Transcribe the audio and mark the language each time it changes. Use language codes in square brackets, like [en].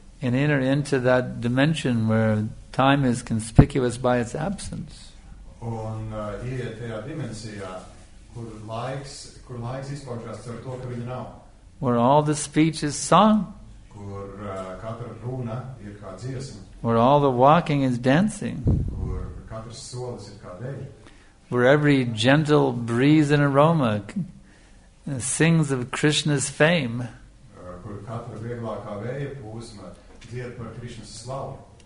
[en] And enter into that dimension where time is conspicuous by its absence. [lv] Un ieiet tajā dimensijā, kur laiks izpaužās ar to, ka viņi nav. [en] Where all the speech is sung. [lv] Kur katra runa ir kā dziesma. [en] Where all the walking is dancing. [lv] Kur katrs solis ir kā dēļa. [en] Where every gentle breeze and aroma sings of Krishna's fame. [lv] Kur katra vieglākā vēja pūsma dzied par Krishna's slavu.